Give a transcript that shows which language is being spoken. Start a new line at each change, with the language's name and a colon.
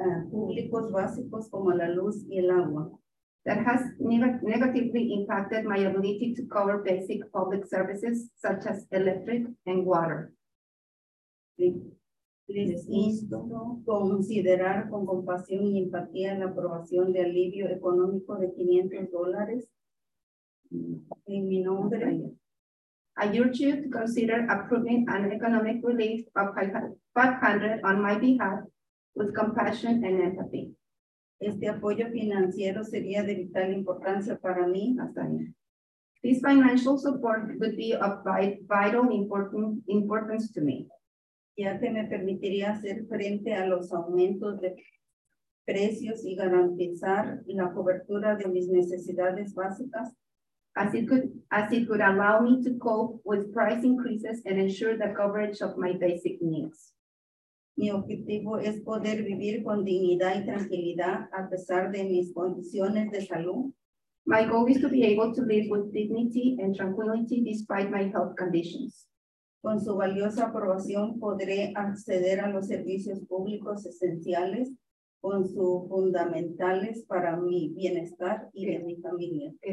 Spanish: Públicos básicos como la luz y el agua.
English: That has negatively impacted my ability to cover basic public services such as electric and water.
Spanish: Les insto considerar con compasión y empatía la aprobación de alivio económico de $500 en mi nombre.
English: I urge you to consider approving an economic relief of $500 on my behalf with compassion and empathy.
Spanish: Este apoyo financiero sería de vital importancia para mí, hasta ahí.
English: This financial support would be of vital importance to me.
Spanish: Ya que me permitiría hacer frente a los aumentos de precios y garantizar la cobertura de mis necesidades básicas.
English: As it could allow me to cope with price increases and ensure the coverage of my basic needs.
Spanish: Mi objetivo es poder vivir con dignidad y tranquilidad a pesar de mis condiciones de salud.
English: My goal is to be able to live with dignity and tranquility despite my health conditions.
Spanish: Con su valiosa aprobación podré acceder a los servicios públicos esenciales con sus fundamentales para mi bienestar y de mi familia.